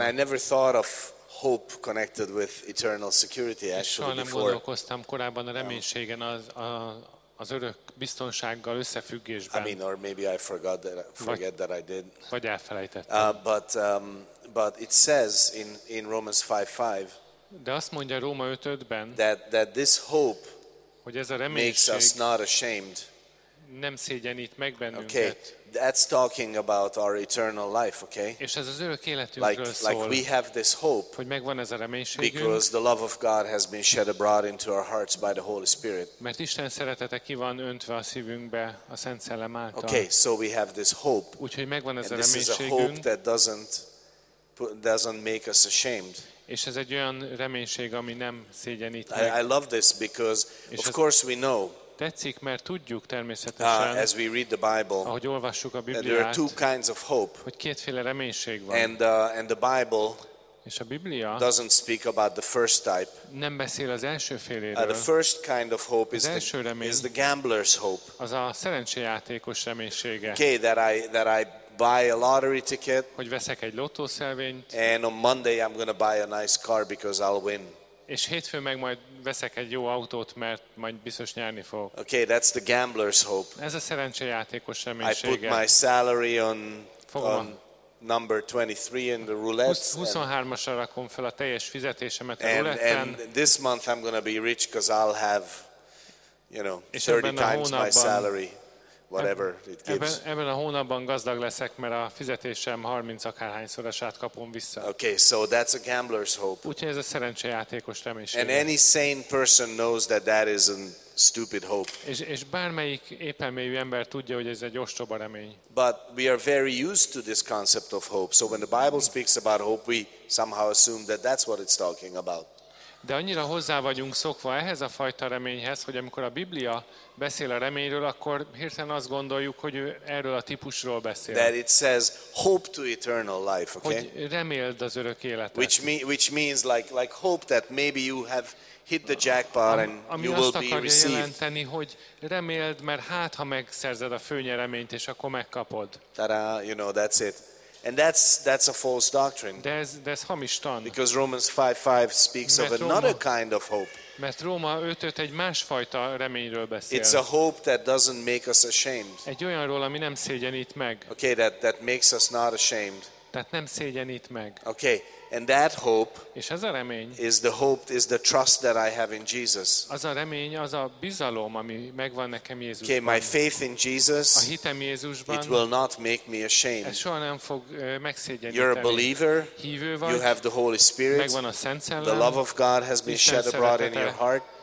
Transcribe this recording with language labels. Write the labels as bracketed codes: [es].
[en] And I never thought of hope connected with eternal security actually [hu] nem [en] before. [hu] Gondolkoztam korábban a reménységen az örök biztonsággal összefüggésben. [en] I mean, or maybe I forget that I did. [hu] Vagy elfelejtettem. [en] But it says in Romans 5:5. [hu] De azt mondja Róma 5:5-ben. [en] That this hope, [hu] hogy ez a reménység, [en] makes us not ashamed. [hu] Nem szégyenít meg bennünket. [en] Okay. That's talking about our eternal life, okay? [hu] És ez az örök életünkről [en] like, [hu] szól. [en] Like we have this hope. [hu] Hogy megvan ez a reménységünk. [en] Because the love of God has been shed abroad into our hearts by the Holy Spirit. [hu] Mert Isten szeretete ki van öntve a szívünkbe a Szent Szellem által. [en] Okay, so we have this hope. [hu] Úgyhogy megvan ez [en] and [hu] a reménységünk. [en] This is a hope that doesn't make us ashamed. [hu] És ez egy olyan reménység, ami nem szégyenít. [en] I love this because of course we know. [hu] Tetszik, mert tudjuk természetesen, [en] as we read the Bible, [hu] ahogy olvassuk a Bibliát, [en] there are two kinds of hope, [hu] hogy kétféle reménység van. [en] And the Bible, [hu] és a Biblia [en] doesn't speak about the first type. [hu] Nem beszél az első féléről. [en] The first kind of hope is the gambler's hope. [hu] Az a szerencsejátékos reménysége. [en] Okay, that I buy a lottery ticket. [hu] Hogy veszek egy lottószelvényt. [en] And on Monday I'm going to buy a nice car because I'll win. [hu] És hétfőn meg majd veszek egy jó autót, mert majd biztos nyerni fogok. [en] Okay, that's the gambler's hope. [hu] Ez a szerencsejátékos reménysége. [en] I put my salary on number 23 in the roulette. [hu] 23-asra rakom fel a teljes fizetésemet a rouletten. [en] And this month I'm going to be rich because I'll have, you know, 30 times my salary. whatever it gives. [hu] Ebben a hónapban gazdag leszek, mert a fizetésem 30 akárhányszorosát kapom vissza. [en] Okay, so that's a gambler's hope. [hu] Úgyhogy ez a szerencsejátékos reménység. [en] And any sane person knows that that is a stupid hope. [hu] És bármelyik éppelméjű ember tudja, hogy ez egy ostoba remény. [en] But we are very used to this concept of hope. So when the Bible speaks about hope, we somehow assume that that's what it's talking about. [hu] De annyira hozzá vagyunk szokva ehhez a fajta reményhez, hogy amikor a Biblia beszél a reményről, akkor hirtelen azt gondoljuk, hogy ő erről a típusról beszél. [en] That it says hope to eternal life, okay? [hu] Hogy reméld az örök életet. [en] Which means like hope that maybe you have hit the jackpot and you will be received. [hu] Ami azt akarja jelenteni, hogy reméld, mert hát ha megszerzed a főnyereményt, és akkor megkapod. [en] Ta-da, you know, that's it. And that's a false doctrine. [hu] De ez hamis tan. [en] Because Romans 5:5 speaks of another kind of hope. [hu] Mert Róma 5:5 egy másfajta reményről beszél. [en] It's a hope that doesn't make us ashamed. [hu] Egy olyanról, ami nem szégyenít meg. [en] Okay, that makes us not ashamed. [hu] Tehát nem szégyenít meg. [en] Okay, and that hope. [hu] És ez a remény. [en] Is the trust that I have in Jesus. [hu] Az a remény, az a bizalom, ami megvan nekem Jézusban. [en] Okay, my faith in Jesus. [hu] A hitem Jézusban. [en] It will not make me ashamed. [hu] Ez soha nem fog megszégyeníteni. [en] You're a believer. [hu] Hívő vagy. [en] You have the Holy Spirit. [hu] Megvan a Szent Szellem. [en] The love of God has been shed abroad in your heart.